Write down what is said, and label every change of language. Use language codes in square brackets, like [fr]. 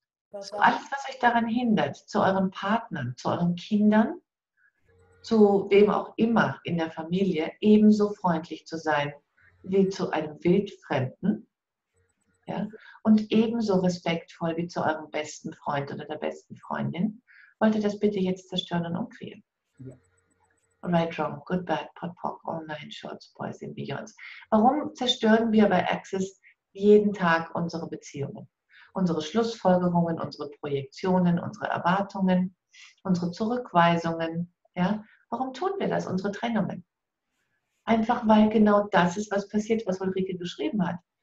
[de] So alles, was euch daran hindert, zu euren Partnern, zu euren Kindern, zu wem auch immer in der Familie ebenso freundlich zu sein wie zu einem Wildfremden, ja, und ebenso respektvoll wie zu eurem besten Freund oder der besten Freundin, wollt ihr das bitte jetzt zerstören und umkriegen? Ja. [en] Right, wrong, good, bad, pot, pock, online, shorts, boys and beyonds. [de] Warum zerstören wir bei Access jeden Tag unsere Beziehungen, unsere Schlussfolgerungen, unsere Projektionen, unsere Erwartungen, unsere Zurückweisungen? Ja, warum tun wir das, unsere Trennungen? Einfach weil genau das ist, was passiert, was Ulrike geschrieben hat.